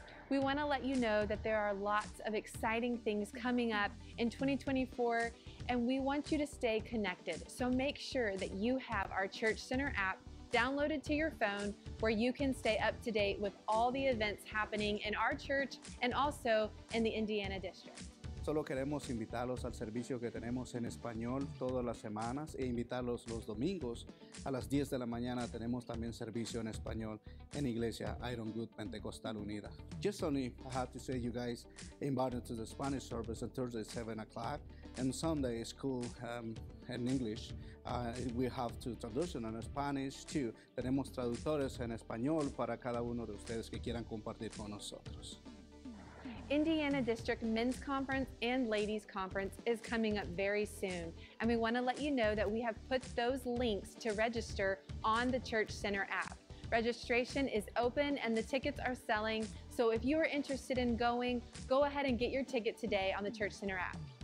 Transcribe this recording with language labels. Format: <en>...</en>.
<en>We want to let you know that there are lots of exciting things coming up in 2024, and we want you to stay connected. So make sure that you have our Church Center app downloaded to your phone where you can stay up to date with all the events happening in our church and also in the Indiana District.</en> <es>Solo queremos invitarlos al servicio que tenemos en español todas las semanas e invitarlos los domingos a las 10 de la mañana. Tenemos también servicio en español en Iglesia Ironwood Pentecostal Unida.</es> <en>Just only I have to say you guys invited to the Spanish service on Thursday at 7 o'clock and Sunday school in English. We have two traductions in Spanish too.</en> <es>Tenemos traductores en español para cada uno de ustedes que quieran compartir con nosotros.</es> <en>Indiana District Men's Conference and Ladies Conference is coming up very soon, and we want to let you know that we have put those links to register on the Church Center app. Registration is open and the tickets are selling, so if you are interested in going, go ahead and get your ticket today on the Church Center app.</en>